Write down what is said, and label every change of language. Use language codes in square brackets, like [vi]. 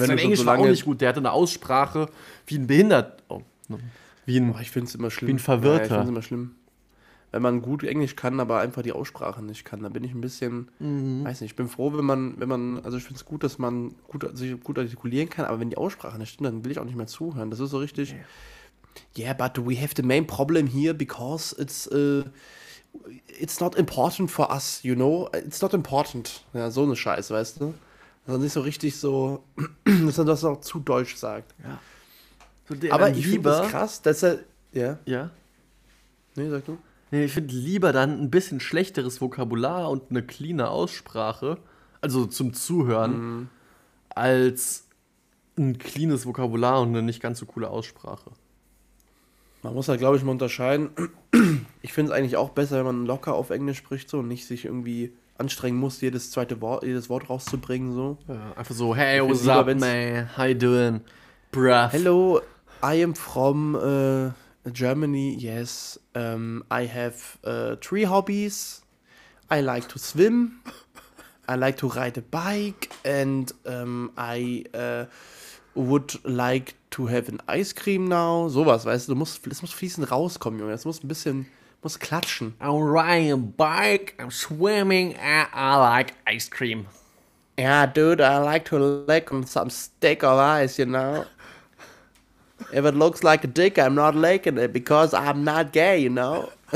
[de] Sein Englisch so lange war auch nicht gut. Der hatte eine Aussprache wie ein Behinderter. Oh, ne? Ich finde es immer schlimm. Wie ein Verwirrter. Ja, ich finde es immer schlimm. Wenn man gut Englisch kann, aber einfach die Aussprache nicht kann, dann bin ich ein bisschen, weiß nicht, ich bin froh, wenn man, also ich finde es gut, dass man sich gut artikulieren kann, aber wenn die Aussprache nicht stimmt, dann will ich auch nicht mehr zuhören. Das ist so richtig. [en] Yeah, but we have the main problem here, because it's not important for us, you know? [de] It's not important. Ja, so eine Scheiße, weißt du? Also nicht so richtig so, dass man das auch zu deutsch sagt. Ja. So, aber ich finde das krass, dass er, ja? Ja? Nee, sag du? Nee, ich finde lieber dann ein bisschen schlechteres Vokabular und eine cleane Aussprache, also zum Zuhören, als ein cleanes Vokabular und eine nicht ganz so coole Aussprache. Man muss halt, glaube ich, mal unterscheiden. Ich finde es eigentlich auch besser, wenn man locker auf Englisch spricht so und nicht sich irgendwie anstrengen muss, jedes Wort rauszubringen. So. [en] Ja, einfach so, hey, what's up, man? How you doing? Bruh. Hello, I am from Germany, yes. I have 3 hobbies. I like to swim. I like to ride a bike. And I would like to have an ice cream now. [de] Sowas, weißt du, das muss fließend rauskommen, Junge. Das muss ein bisschen, muss klatschen. [en] I'm riding a bike, I'm swimming, and I like ice cream. Yeah, dude, I like to lick on some stick of ice, you know? If it looks like a dick, I'm not licking it, because I'm not gay, you know?